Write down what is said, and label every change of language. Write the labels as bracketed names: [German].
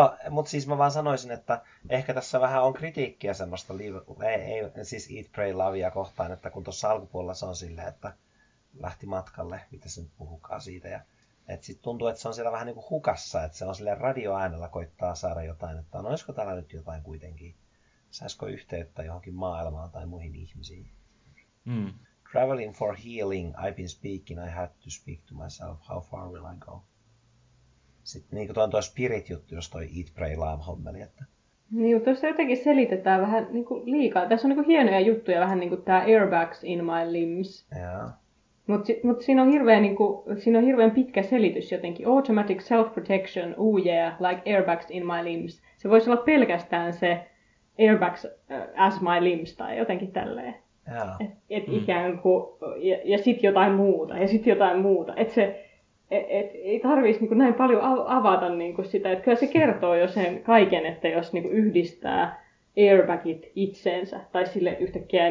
[Finnish] Mutta siis mä vaan sanoisin, että ehkä tässä vähän on kritiikkiä semmoista siis eat, pray, lovea kohtaan, että kun tuossa alkupuolella se on silleen, että lähti matkalle, mitä se nyt puhukaan siitä. Sitten tuntuu, että se on siellä vähän niin kuin hukassa, että se on silleen radioäänellä koittaa saada jotain, että on, olisiko täällä nyt jotain kuitenkin, saisiko yhteyttä johonkin maailmaan tai muihin ihmisiin. Mm. [English] Traveling for healing, I've been speaking, I had to speak to myself, how far will I go? [Finnish] Sitten niin kuin tuo spirit-juttu, jos toi eat, pray, love -hommeli. Että... Niin, tuossa jotenkin selitetään vähän niin kuin liikaa. Tässä on niin kuin hienoja juttuja, vähän niin kuin tämä [English] airbags in my limbs. [Finnish] Joo. Mut siinä on hirveän niinku, siinä on hirveän pitkä selitys jotenkin. [English] Automatic self-protection, oh yeah, like airbags in my limbs. [Finnish] Se voisi olla pelkästään se [English] airbags as my limbs [Finnish] tai jotenkin tälleen. [English] Yeah. [Finnish] Et ikään kuin, ja sit jotain muuta, ja sit jotain muuta. Että se et ei tarvitsisi niinku näin paljon avata niinku sitä. Että kyllä se kertoo jo sen kaiken, että jos niinku yhdistää airbagit itseensä tai sille yhtäkkiä...